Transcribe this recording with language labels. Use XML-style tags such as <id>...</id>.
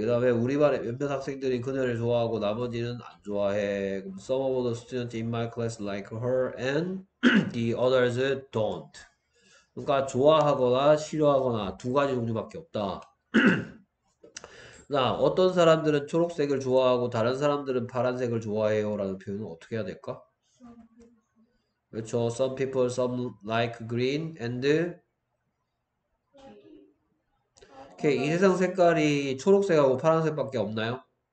<ko>그 다음에 우리 반에 몇몇 학생들이 그녀를 좋아하고 나머지는 안 좋아해.</ko> <en>Some of the students in my class like her and the others don't.</en> <ko>그러니까 좋아하거나 싫어하거나 두 가지 종류밖에 없다. 자, 어떤 사람들은 초록색을 좋아하고 다른 사람들은 파란색을 좋아해요 라는 표현은 어떻게 해야 될까? 그렇죠.</ko> <en>Some people, some like green and</en> <ko>이 세상 색깔이 초록색하고 파란색밖에 없나요?</ko>